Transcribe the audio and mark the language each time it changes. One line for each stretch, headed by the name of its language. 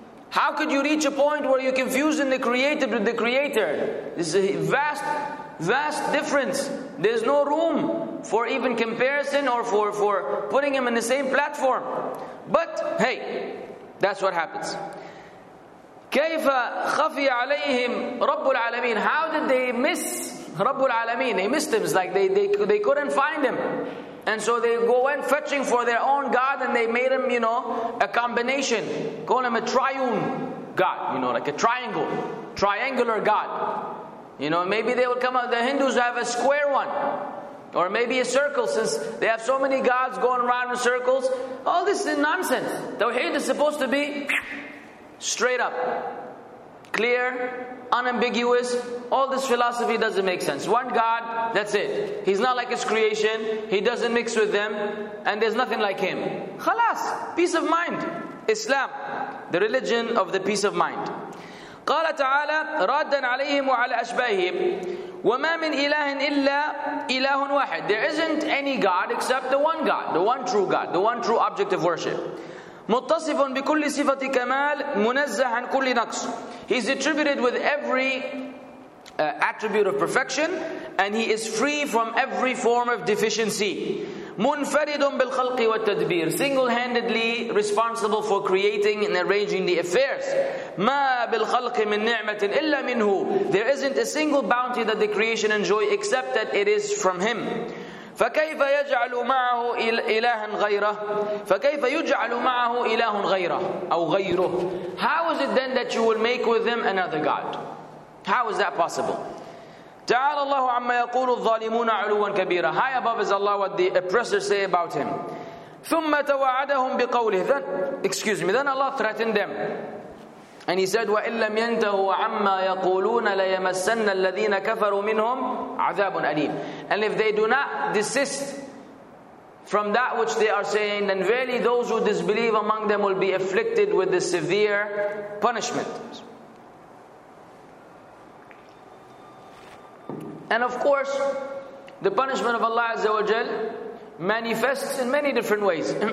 English: How could you reach a point where you're confusing the created with the Creator? This is a vast, vast difference. There's no room for even comparison or for putting him in the same platform. But hey, that's what happens.
Arabic: كيف خفي عليهم رب العالمين?
English: How did they miss رب العالمين? They missed him. It's like they couldn't find him. And so they went fetching for their own God, and they made him, you know, a combination. Call him a triune God, you know, like a triangle, triangular God. You know, maybe they will come up, the Hindus have a square one. Or maybe a circle, since they have so many gods going around in circles. All this is nonsense. Tawheed is supposed to be straight up, clear, unambiguous. All this philosophy doesn't make sense. One God, that's it. He's not like his creation. He doesn't mix with them. And there's nothing like him. Khalas, peace of mind. Islam, the religion of the peace of mind.
Arabic: قال تعالى رادا عليهم وعلى أشباههم وما من إله إلا إله واحد.
English: There isn't any God except the one God, the one true God, the one true object of worship.
Arabic: متصف بكل صفة كمال منزه عن كل نقص.
English: He's attributed with every attribute of perfection, and he is free from every form of deficiency.
Arabic: منفرد بالخلق والتدبير.
English: Single-handedly responsible for creating and arranging the affairs.
Arabic: ما بالخلق من نعمة إلا منه.
English: There isn't a single bounty that the creation enjoy except that it is from him.
Arabic: فكيف يجعل معه إلها غيره؟ فكيف يجعل معه إله غيره أو غيره؟
English: How is it then that you will make with them another God? How is that possible?
Arabic: تعالى الله عما يقول الظالمون علوا كبيرا.
English: High above is Allah, what the oppressors say about him.
Arabic: ثم توعدهم بقوله.
English: Then Allah threatened them. And he said,
Arabic: وإن لم ينتهوا عما يقولون ليمسن الذين كفروا منهم عذاب أليم.
English: And if they do not desist from that which they are saying, then verily those who disbelieve among them will be afflicted with the severe punishment. And of course, the punishment of Allah Azza wa Jal manifests in many different ways.